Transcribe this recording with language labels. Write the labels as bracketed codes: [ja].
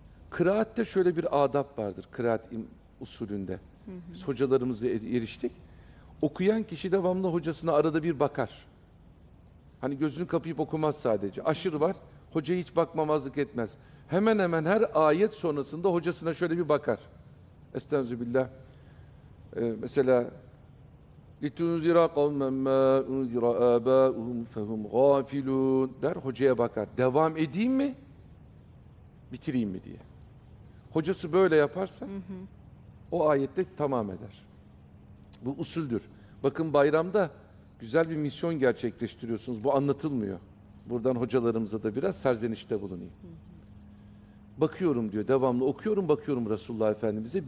[tr] Kıraatte şöyle bir adab vardır, kıraat usulünde. Biz hocalarımızla eriştik. Okuyan kişi devamlı hocasına arada bir bakar. Hani gözünü kapayıp okumaz sadece. Aşırı var, hoca hiç bakmamazlık etmez. Hemen hemen her ayet sonrasında hocasına şöyle bir bakar. Estağfirullah. [ar] Mesela لِتُنْذِرَا قَوْمًا مَا اُنْذِرَا آبَاءُهُمْ فَهُمْ غَافِلُونَ [tr] der, hocaya bakar. Devam edeyim mi, bitireyim mi diye. Hocası böyle yaparsa o ayette tamam eder. Bu usuldür. Bakın bayramda güzel bir misyon gerçekleştiriyorsunuz. Bu anlatılmıyor. Buradan hocalarımıza da biraz serzenişte bulunayım. Bakıyorum diyor, devamlı okuyorum, bakıyorum Resulullah Efendimiz'e.